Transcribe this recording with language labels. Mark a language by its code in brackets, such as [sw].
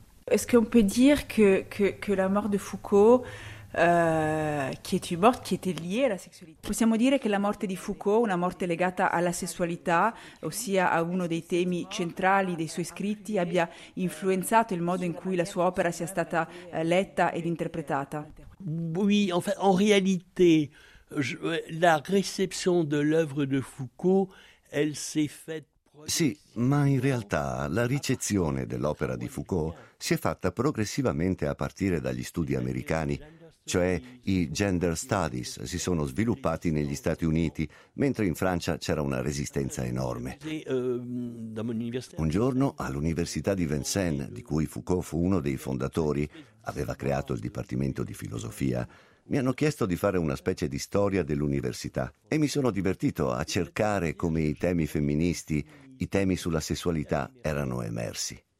[fr] Est-ce qu'on peut dire que la mort de Foucault qui est une mort qui était liée à la sexualité. [it] Possiamo dire che la morte di Foucault, una morte legata alla sessualità, ossia a uno dei temi centrali dei suoi scritti, abbia influenzato il modo in cui la sua opera sia stata letta ed interpretata. [fr] Oui, en réalité, la réception de l'œuvre de Foucault, elle s'est faite. [it] Sì, ma in realtà la ricezione dell'opera di Foucault si è fatta progressivamente a partire dagli studi americani. Cioè i gender studies si sono sviluppati negli Stati Uniti, mentre in Francia c'era una resistenza enorme. Un giorno all'Università di Vincennes, di cui Foucault fu uno dei fondatori, aveva creato il Dipartimento di Filosofia, mi hanno chiesto di fare una specie di storia dell'università e mi sono divertito a cercare come i temi femministi, i temi sulla sessualità erano emersi.